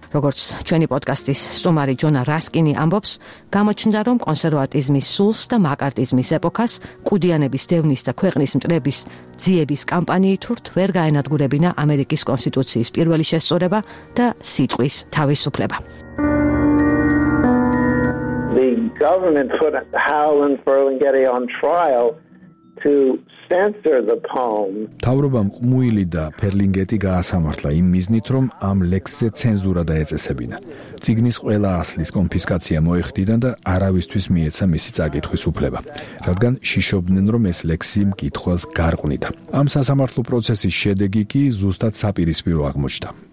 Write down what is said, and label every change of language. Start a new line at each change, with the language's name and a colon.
Georgian: როგორც ჩვენი პოდკასტის სტუმარი ჯონა რასკინი ამბობს, გამოჩნდა, რომ კონსერვატიზმის სულს და მაკარტიზმის ეპოქას კუდიანების დევნის და ქვეყნის მტრების ძიების კამპანიით ურთ ვერ გაენადგურებინა ამერიკის კონსტიტუციის პირველი შესწორება და სიტყვის თავისუფლება.
English: Government put Howland Ferlinghetti on trial to censor the poem.
Georgian: თავრობამ ყმუილი და ფერლინგეტი გაასამართლა იმ მიზნით, რომ ამ ლექსზე ცენზურა დაეწესებინა. ციგნის ყველა ასლის კონფისკაცია მოეხდიდან და არავისთვის მიეცა მისი წაკითხვის უფლება, რადგან შიშობდნენ, რომ ეს ლექსი მკითხველს გარყვნიდა. ამ სასამართლო პროცესის შედეგი კი ზუსტად საპირისპირო აღმოჩნდა.